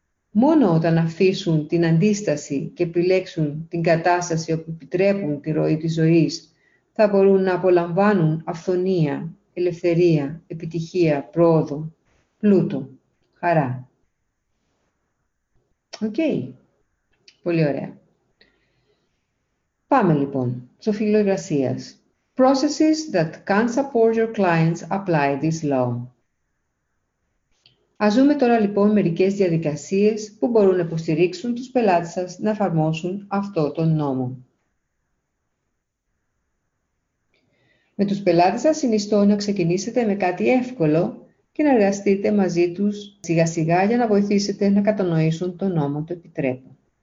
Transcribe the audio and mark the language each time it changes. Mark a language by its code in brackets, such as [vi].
[el] Μόνο όταν αφήσουν την αντίσταση και επιλέξουν την κατάσταση όπου επιτρέπουν τη ροή της ζωής, θα μπορούν να απολαμβάνουν αυθονία, ελευθερία, επιτυχία, πρόοδο, πλούτο, χαρά. Okay. Πολύ ωραία. Πάμε λοιπόν στο φύλλο εργασίας. [en] Processes that can support your clients apply this law. [el] Ας δούμε τώρα λοιπόν μερικές διαδικασίες που μπορούν να υποστηρίξουν τους πελάτες σας να εφαρμόσουν αυτό τον νόμο. Με τους πελάτες σας συνιστώ να ξεκινήσετε με κάτι εύκολο και να εργαστείτε μαζί τους σιγά σιγά για να βοηθήσετε να κατανοήσουν τον νόμο του επιτρέπου.